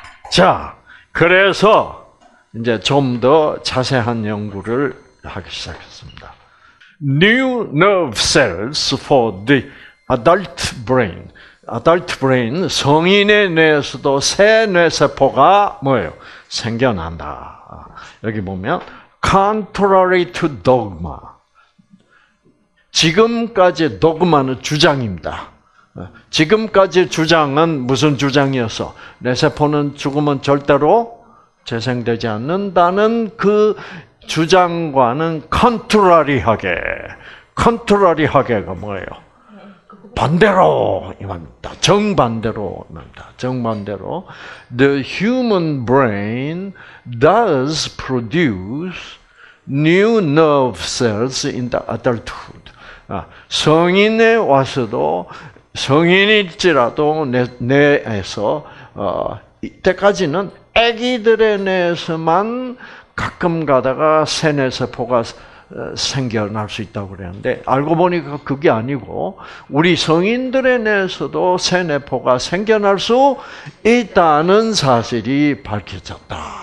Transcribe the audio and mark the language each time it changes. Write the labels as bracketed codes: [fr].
[ko] 자, 그래서 이제 좀 더 자세한 연구를 하기 시작했습니다. [en] New nerve cells for the adult brain. Adult brain, [ko] 성인의 뇌에서도 새 뇌세포가 뭐예요? 생겨난다. 여기 보면 [en] contrary to dogma, [ko] 지금까지의 dogma는 주장입니다. 지금까지의 주장은 무슨 주장이었어? 뇌세포는 죽으면 절대로 재생되지 않는다는 그 주장과는 contrary하게, contrary하게가 뭐예요? 반대로 이만다. 정반대로 이만다. 정반대로. [en] The human brain does produce new nerve cells in the adulthood. [ko] 성인에 와서도 성인일지라도 뇌에서 이때까지는 아기들의 뇌에서만 가끔 가다가 세뇌세포가 생겨날 수 있다고 그랬는데 알고 보니까 그게 아니고 우리 성인들의 뇌에서도 세뇌포가 생겨날 수 있다는 사실이 밝혀졌다.